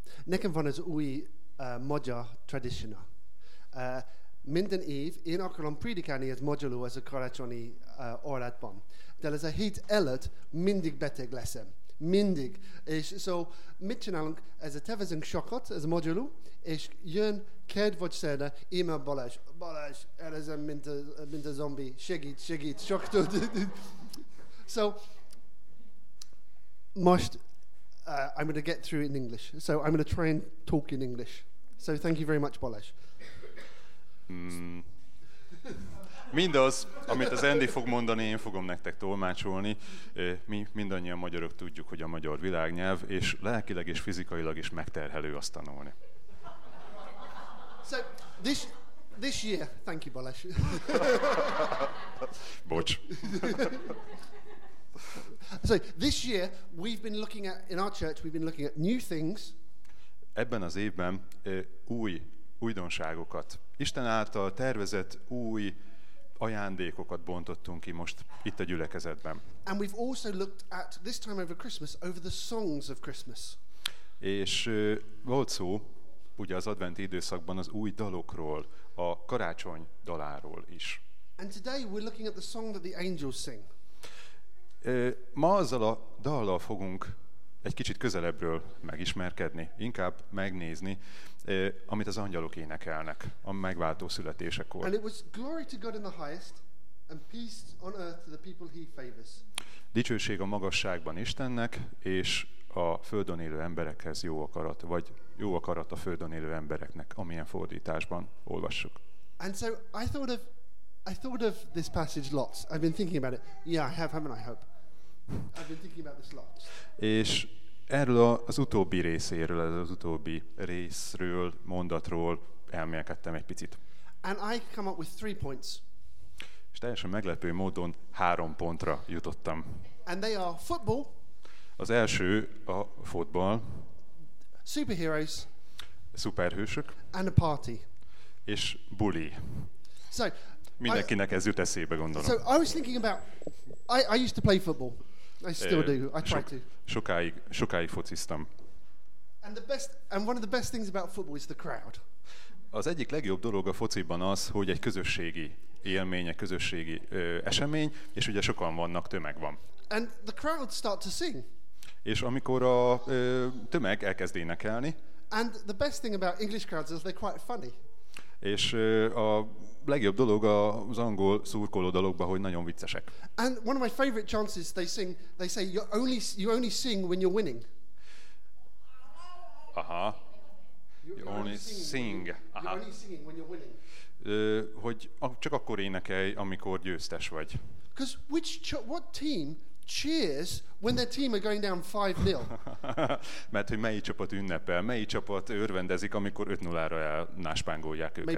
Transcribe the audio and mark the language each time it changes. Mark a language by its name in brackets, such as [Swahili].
[Hungarian] Nekem van az új magyar tradíciónak. Minden év én akarom prédikálni az magyarul az a karácsonyi orlátban. De ez a hét előtt mindig beteg leszem. Mindig. És so, mit csinálunk? Ez a tevezünk sokat, ez a magyarul, és jön kedv vagy szerda, email Balázs. Balázs, elezem, mint a zombi. Segít, sok tud. [English] So, most, I'm going to get through in English. So, I'm going to try and talk in English. So thank you very much, Balázs. [Hungarian] Mindaz, amit az Andy fog mondani, én fogom nektek tolmácsolni. Mi mindannyian magyarok tudjuk, hogy a magyar világnyelv, és lelkileg és fizikailag is megterhelő azt tanulni. [English] So, this year, thank you, Balázs. [Hungarian] Bocs. [English] So, this year, we've been looking at, in our church, we've been looking at new things. [Hungarian] Ebben az évben újdonságokat, Isten által tervezett új ajándékokat bontottunk ki most itt a gyülekezetben. [English] And we've also looked at this time over Christmas, over the songs of Christmas. [Hungarian] És volt szó, ugye az adventi időszakban az új dalokról, a karácsony daláról is. [English] And today we're looking at the song that the angels sing. [Hungarian] Ma azzal a dallal fogunk egy kicsit közelebbről megismerkedni, inkább megnézni, amit az angyalok énekelnek a megváltó születésekor. [English] And it was glory to God in the highest and peace on earth to the people he favors. [Hungarian] Dicsőség a magasságban Istennek, és a földön élő emberekhez jó akarat, vagy jó akarat a földön élő embereknek, amilyen fordításban olvassuk. [English] And so I thought of this passage lots. I've been thinking about it. Yeah, I have, haven't I, Hope? I've been thinking about this lots. [Hungarian] És erről az utóbbi részéről, ez az utóbbi részről, mondatról elmélkedtem egy picit. [English] And I come up with 3 points. [Hungarian] És teljesen meglepő módon 3 pontra jutottam. [English] And they are football. [Hungarian] Az első a futball. [English] Superheroes. [Hungarian] Szuperhősök. [English] And a party. [Hungarian] És buli. [English] So, [Hungarian] mindenkinek ez jut eszébe, gondolom. [English] So I was thinking about, I used to play football. I still do. I try to. [Hungarian] Sokáig fociztam. [English] And one of the best things about football is the crowd. [Hungarian] Az egyik legjobb dolog a fociban az, hogy egy közösségi élmény, egy közösségi esemény, és ugye sokan vannak, tömeg van. [English] And the crowd start to sing. [Hungarian] És amikor a tömeg elkezd énekelni. [English] And the best thing about English crowds is they're quite funny. [Hungarian] És a legjobb dolog az angol szurkoló dologban, hogy nagyon viccesek. [English] And one of my favorite chants is they sing, they say you only sing when you're winning. Aha. You only sing when you're winning. [Hungarian] Hogy csak akkor énekelj, amikor győztes vagy. [English] Because what team cheers when their team are going down 5-0? [Hungarian] Mert hogy melyik csapat ünnepel, melyik csapat örvendezik, amikor 5-0-ra náspángolják őket.